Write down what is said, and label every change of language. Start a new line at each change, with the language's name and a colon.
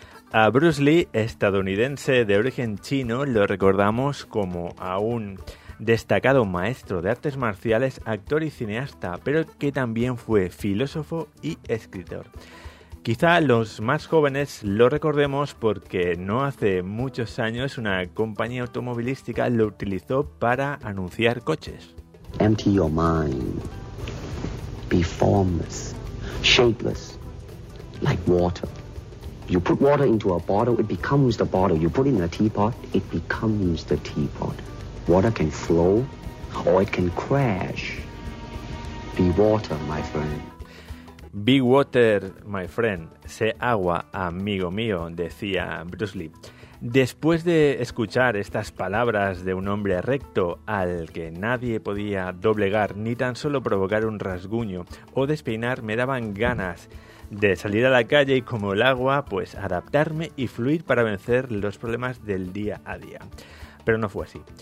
Spanish: A Bruce Lee, estadounidense de origen chino, lo recordamos como a un destacado maestro de artes marciales, actor y cineasta, pero que también fue filósofo y escritor. Quizá los más jóvenes lo recordemos porque no hace muchos años una compañía automovilística lo utilizó para anunciar coches.
English: Empty your mind. Be formless, shapeless, like water. You put water into a bottle, it becomes the bottle. You put it in a teapot, it becomes the teapot. Water can flow or it can crash. Be water, my friend. Be water, my friend.
Spanish: Sé agua, amigo mío, decía Bruce Lee. Después de escuchar estas palabras de un hombre recto al que nadie podía doblegar ni tan solo provocar un rasguño o despeinar, me daban ganas de salir a la calle y, como el agua, pues adaptarme y fluir para vencer los problemas del día a día. Pero no fue así.